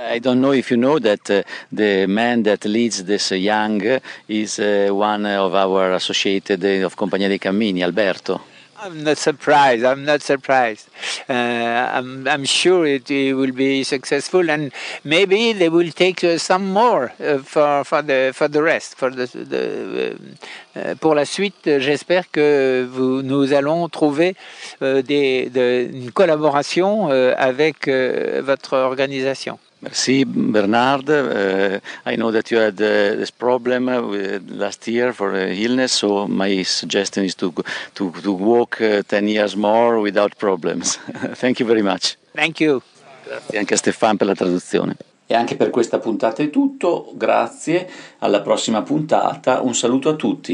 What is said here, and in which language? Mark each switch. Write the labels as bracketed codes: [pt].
[en] I don't know if you know that the man that leads this young is one of our associated of Compagnia dei Cammini, Alberto. I'm not surprised. I'm sure it will be successful and maybe they will take some more [fr] pour la suite. J'espère que nous allons trouver une collaboration avec votre organisation. Merci Bernard. [en] I know that you had this problem with last year for illness, so my suggestion is to walk 10 years more without problems. Thank you very much. Thank you. [it] Grazie anche a Stefan per la traduzione. E anche per questa puntata è tutto. Grazie, alla prossima puntata. Un saluto a tutti.